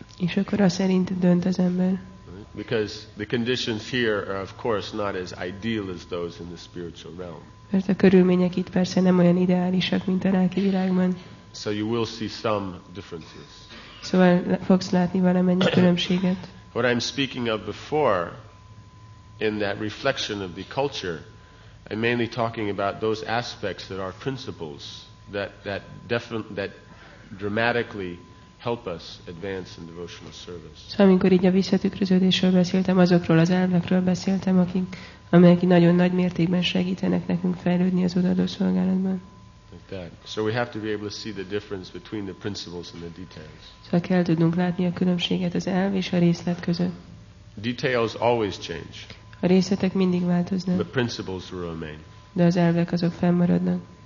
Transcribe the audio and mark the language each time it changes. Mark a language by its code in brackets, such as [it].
[hu] És akkor az szerint dönt az ember. [en] Because the conditions here are of course not as ideal as those in the spiritual realm. [hu] Mert a körülmények itt persze nem olyan ideálisak, mint a lelki világban. [en] So you will see some differences. [hu] Szóval fogsz látni valamennyi különbséget. [en] What I'm speaking of before in that reflection of the culture, I'm mainly talking about those aspects that are principles that dramatically help us advance in devotional service. [hu] So, amikor így a visszatükröződésről beszéltem, azokról az elvekről beszéltem, amelyek nagyon nagy mértékben segítenek nekünk fejlődni az odaadó szolgálatban. [en] Like that. So we have to be able to see the difference between the principles and the details. [hu] Szóval kell tudnunk látni a különbséget az elv és a részlet között. [en] Details always change. [hu] A részletek mindig változnak. [en] The principles remain. [hu] De az elvek azok fennmaradnak.